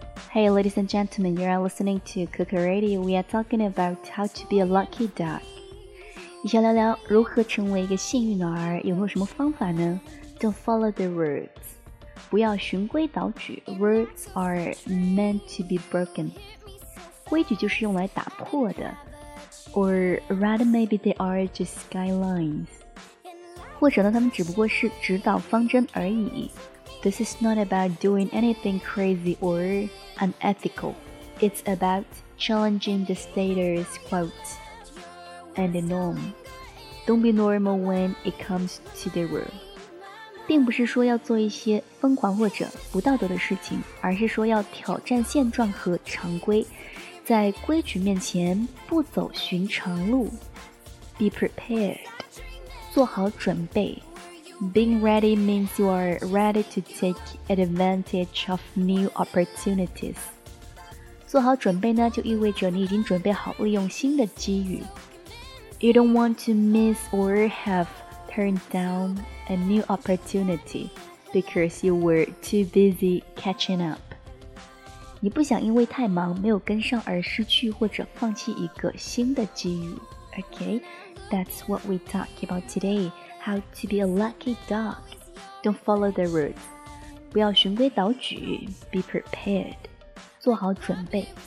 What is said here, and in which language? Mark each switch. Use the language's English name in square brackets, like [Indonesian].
[English] Hey, ladies and gentlemen, you are listening to Cooker Radio. We are talking about how to be a lucky dog. [Chinese] 你想聊聊如何成为一个幸运儿，有没有什么方法呢？ [English] Don't follow the rules. [Chinese] 不要循规蹈矩。 [English] Rules are meant to be broken. [Chinese] 规矩就是用来打破的。 [English] Or rather, maybe they are just guidelines. [Chinese] 或者呢，他们只不过是指导方针而已。 [English] This is not about doing anything crazy or unethical. It's about challenging the status quo and the norm. Don't be normal when it comes to the rule. [Chinese] 并不是说要做一些疯狂或者不道德的事情，而是说要挑战现状和常规，在规矩面前不走寻常路。 [English] Be prepared. [Chinese] 做好准备。 [English] Being ready means you are ready to take advantage of new opportunities. [Chinese] 做好准备呢，就意味着你已经准备好利用新的机遇。 [English] You don't want to miss or have turned down a new opportunity because you were too busy catching up. [Chinese] 你不想因为太忙没有跟上而失去或者放弃一个新的机遇。 [English] Okay, that's what we talk about today. How to be a lucky dog. Don't follow the rules. [Chinese] 不要循规蹈矩。 [English] Be prepared. [Chinese] 做好准备。